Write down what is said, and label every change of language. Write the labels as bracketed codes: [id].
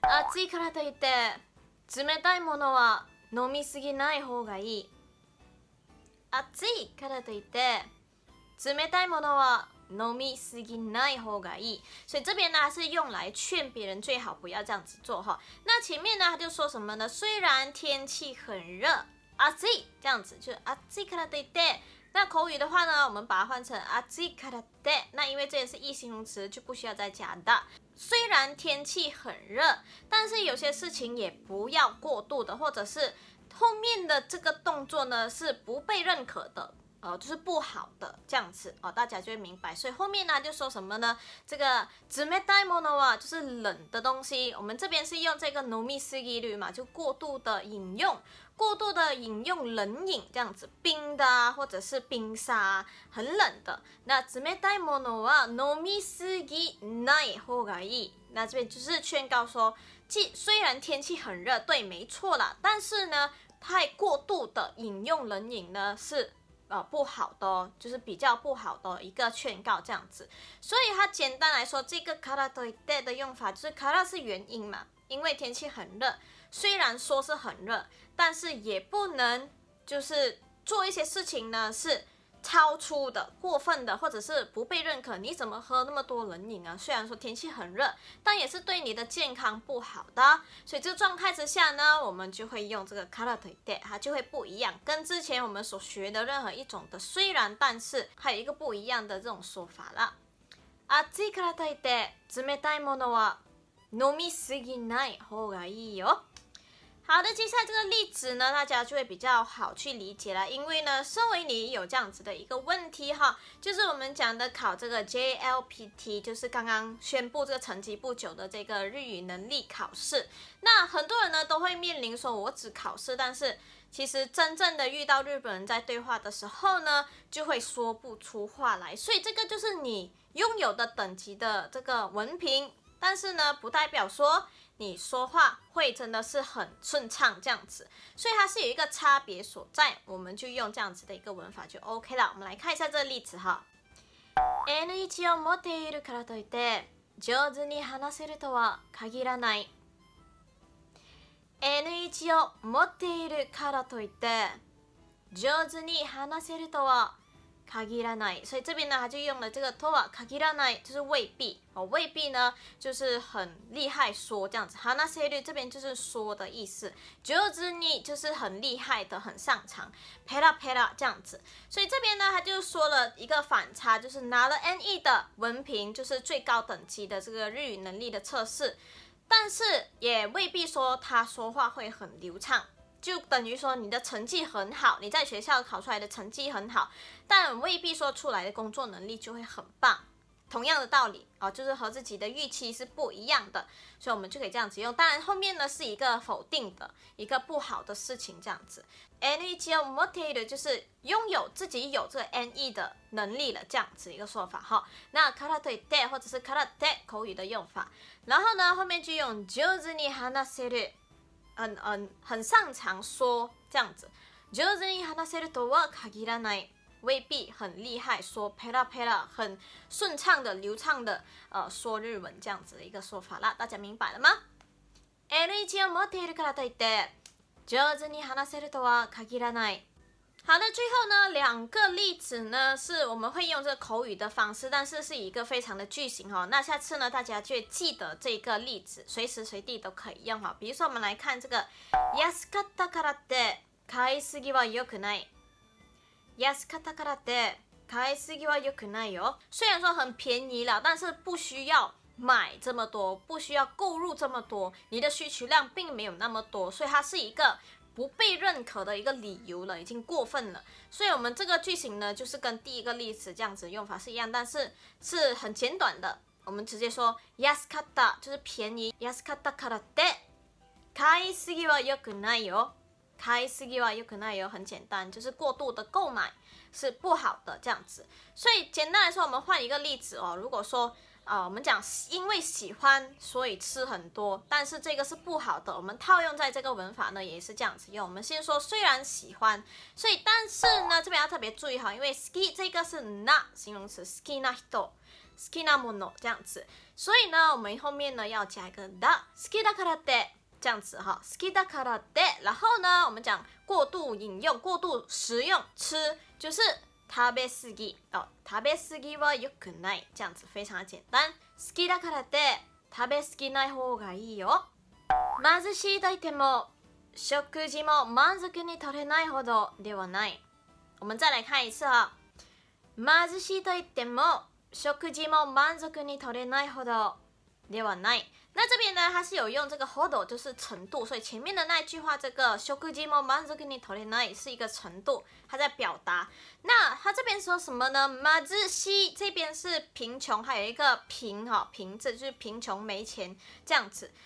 [ja] 暑いからといって、冷たいものは飲みすぎない方がいい。暑いからといって、冷たいものは飲みすぎない方がいい。 [zh] 所以这边呢是用来劝别人最好不要这样子做哈。那前面呢他就说什么呢？虽然天气很热，暑い这样子就 [ja] 暑いからといって。 [zh] 那口语的话呢，我们把它换成 [ja] 暑いからといって。 [zh] 那因为这也是一形容词，就不需要再加的。虽然天气很热，但是有些事情也不要过度的，或者是后面的这个动作呢是不被认可的。就是不好的这样子哦，大家就会明白。所以后面呢就说什么呢？这个 [ja] 冷たいものは [zh] 就是冷的东西。我们这边是用这个 [ja] 飲みすぎる [zh] 嘛，就过度的饮用，过度的饮用冷饮这样子，冰的啊，或者是冰沙，很冷的。 [ja] 那冷たいものは飲みすぎない方がいい。 [zh] 那这边就是劝告说，虽然天气很热，对，没错啦，但是呢，太过度的饮用冷饮呢是。不好的哦，就是比较不好的一个劝告这样子。所以它简单来说，这个からといって的用法就是から是原因嘛，因为天气很热，虽然说是很热，但是也不能就是做一些事情呢是超出的、过分的，或者是不被认可。你怎么喝那么多冷饮啊？虽然说天气很热，但也是对你的健康不好的。所以这个状态之下呢，我们就会用这个からといって，它就会不一样，跟之前我们所学的任何一种的虽然但是，还有一个不一样的这种说法啦。 [ja] 暑いからといって、冷たいものは飲みすぎない方がいいよ。 [zh] 好好的，接下来这个例子呢，大家就会比较好去理解了，因为呢，身为你有这样子的一个问题哈，就是我们讲的考这个 JLPT， 就是刚刚宣布这个成绩不久的这个日语能力考试。那很多人呢都会面临说，我只考试，但是其实真正的遇到日本人在对话的时候呢，就会说不出话来。所以这个就是你拥有的等级的这个文凭，但是呢，不代表说你说话会真的是很顺畅这样子，所以它是有一个差别所在，我们就用这样子的一个文法就 OK 了。我们来看一下这个例子哈。 [ja] N1 を持っているからといって上手に話せるとは限らない。 N1 を持っているからといって上手に話せるとは限らない。 [zh] 所以这边呢，他就用了这个 [ja] とは限らない， [zh] 就是未必。未必呢，就是很厉害说这样子。 [ja] 話せる [zh] 这边就是说的意思。 [ja] 上手に [zh] 就是很厉害的，很擅长。 [ja] ペラペラ [zh] 这样子。所以这边呢，他就说了一个反差，就是拿了 N1 的文凭，就是最高等级的这个日语能力的测试，但是也未必说他说话会很流畅。就等于说你的成绩很好，你在学校考出来的成绩很好，但未必说出来的工作能力就会很棒。同样的道理、就是和自己的预期是不一样的，所以我们就可以这样子用。当然后面呢是一个否定的一个不好的事情这样子。 [ja] N1 を持っている [zh] 就是拥有自己有这个 N1 的能力了这样子一个说法。那 [ja] からといって [zh] 或者是 [ja] からって [zh] 口语的用法，然后呢后面就用 [ja] 上手に話せる， [zh] 很擅长说这样子。 [ja] 上手に話せるとは限らない， [zh] 未必很厉害说 [ja] ペラペラ， [zh] 很顺畅的流畅的说日文这样子的一个说法啦。大家明白了吗？ [ja] N1 を持っているからといって上手に話せるとは限らない。 [zh] 好的，最后呢两个例子呢是我们会用这个口语的方式，但是是一个非常的句型哦。那下次呢大家就记得这个例子，随时随地都可以用哦。比如说我们来看这个， [ja] 安かったからって買いすぎは良くない。安かったからって買いすぎは良くないよ。 [zh] 虽然说很便宜了，但是不需要买这么多，不需要购入这么多，你的需求量并没有那么多，所以它是一个不被认可的一个理由了，已经过分了。所以我们这个句型呢就是跟第一个例子这样子用法是一样，但是是很简短的。我们直接说 [ja] 安かった [zh] 就是便宜。 [ja] 安かったからって 買いすぎは良くないよ。買いすぎは良くないよ [zh] 很简单，就是过度的购买是不好的这样子。所以简单来说，我们换一个例子哦，如果说我们讲因为喜欢所以吃很多，但是这个是不好的，我们套用在这个文法呢也是这样子用。我们先说虽然喜欢，所以但是呢这边要特别注意哈，因为 ski 这个是那形容词 [ja] ski na hito ski na mono [zh] 这样子，所以呢我们后面呢要加一个 da [ja] ski da kara de [zh] 这样子哈， ski da kara de。然后呢我们讲过度饮用，过度食用吃就是 [ja] 食べ過ぎ、食べ過ぎは良くない。 [zh] 这样子非常简单。 [ja] 好きだからって食べ過ぎない方がいいよ。貧しい大手も食事も満足に取れないほどではない。 [zh] 我们再来看一次啊。 [ja] 貧しい大手も食事も満足に取れないほどではない。 [zh] 那这边呢，它是有用这个 [ja] ほど， [zh] 就是程度，所以前面的那一句话，这个 [ja] 食事も満足に取れない [zh] 是一个程度，它在表达。那它这边说什么呢？ [ja] 貧しい [zh] 这边是贫穷，还有一个贫哈，贫字就是贫穷、没钱这样子。